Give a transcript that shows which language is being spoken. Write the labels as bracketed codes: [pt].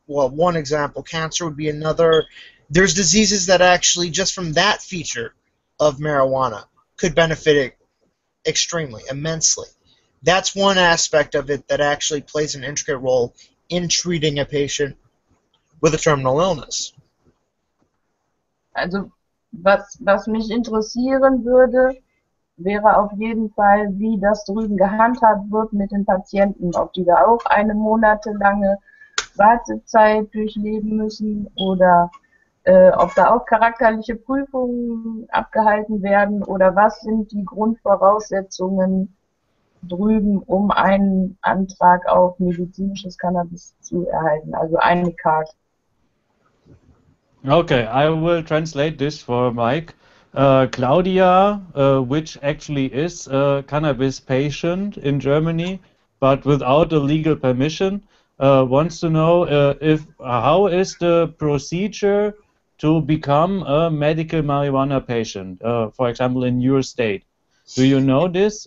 [en] Well, one example, cancer would be another. There's diseases that actually, just from that feature of marijuana, could benefit it extremely, immensely. That's one aspect of it that actually plays an intricate role in treating a patient with a terminal illness. [de] Also was mich interessieren würde, wäre auf jeden Fall, wie das drüben gehandhabt wird mit den Patienten, ob die da auch eine monatelange Wartezeit durchleben müssen oder ob da auch charakterliche Prüfungen abgehalten werden oder was sind die Grundvoraussetzungen drüben, um einen Antrag auf medizinisches Cannabis zu erhalten, also eine Karte. [en] Okay, I will translate this for Mike. Claudia, which actually is a cannabis patient in Germany, but without a legal permission, wants to know how is the procedure to become a medical marijuana patient, for example, in your state? Do you know this?